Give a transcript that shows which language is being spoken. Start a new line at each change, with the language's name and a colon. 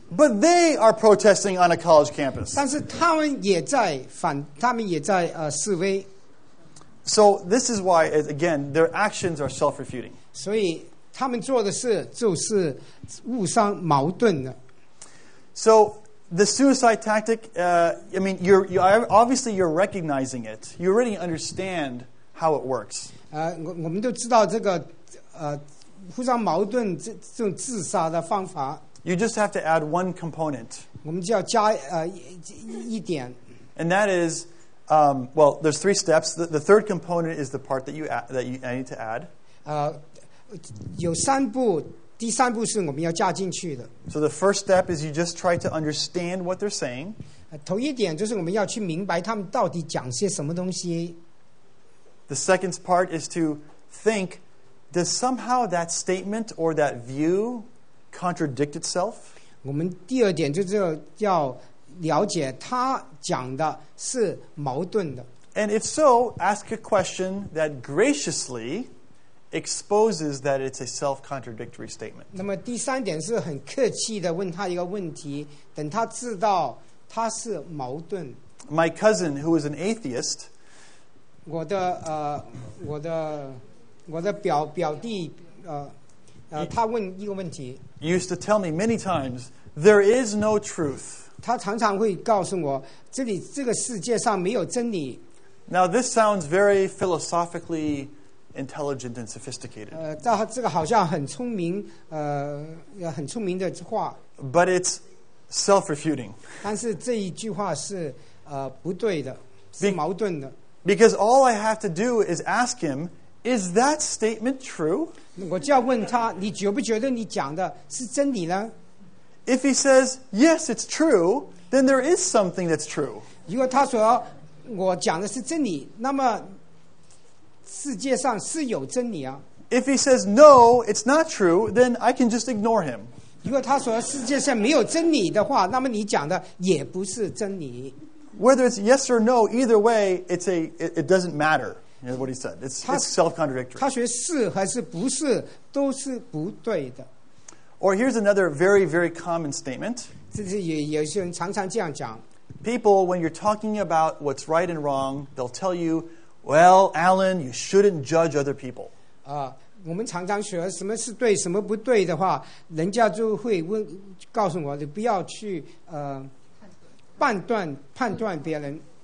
English: But they are protesting on a college campus.
Chinese: 但是他们也在反，他们也在示威。
English: So this is why, again, their actions are self-refuting.
Chinese: 所以。他们做的事就是互相矛盾的。
English: So the suicide tactic, I mean, obviously you're recognizing it. You already understand how it works.
Chinese: 我们都知道这个互相矛盾这种自杀的方法。
English: You just have to add one component.
Chinese: 我们就要加一点。
English: And that is, well, there's three steps. The third component is the part that you I need to add.
Chinese: 有三步，第三步是我们要加进去的。
English: So the first step is you just try to understand what they're saying.
Chinese: 头一点就是我们要去明白他们到底讲些什么东西。
English: The second part is to think, does somehow that statement or that view contradict itself?
Chinese: 我们第二点就是要了解他讲的是矛盾的。
English: And if so, ask a question that graciously exposes that it's a self-contradictory statement.
Chinese: 那么第三点是很客气地问他一个问题，等他知道他是矛盾。
English: My cousin, who is an atheist,
Chinese: 我的表弟他问一个问题。
English: Used to tell me many times, there is no truth.
Chinese: 他常常会告诉我，这个世界上没有真理。
English: Now this sounds very philosophically intelligent and sophisticated.
Chinese: 这个好像很聪明，很聪明的话。
English: But it's self-refuting.
Chinese: 但是这一句话是不对的，是矛盾的。
English: Because all I have to do is ask him, is that statement true?
Chinese: 我就要问他，你觉不觉得你讲的是真理呢？
English: If he says, yes, it's true, then there is something that's true.
Chinese: 如果他说我讲的是真理，那么世界上是有真理啊。
English: If he says, no, it's not true, then I can just ignore him.
Chinese: 如果他说世界上没有真理的话，那么你讲的也不是真理。
English: Whether it's yes or no, either way, it doesn't matter, is what he said. It's self-contradictory.
Chinese: 他学是还是不是都是不对的。
English: Or here's another very, very common statement.
Chinese: 这是有些人常常这样讲。
English: People, when you're talking about what's right and wrong, they'll tell you, well, Alan, you shouldn't judge other people.
Chinese: 我们常常学什么是对什么不对的话，人家就会问，告诉我，你不要去判断别人。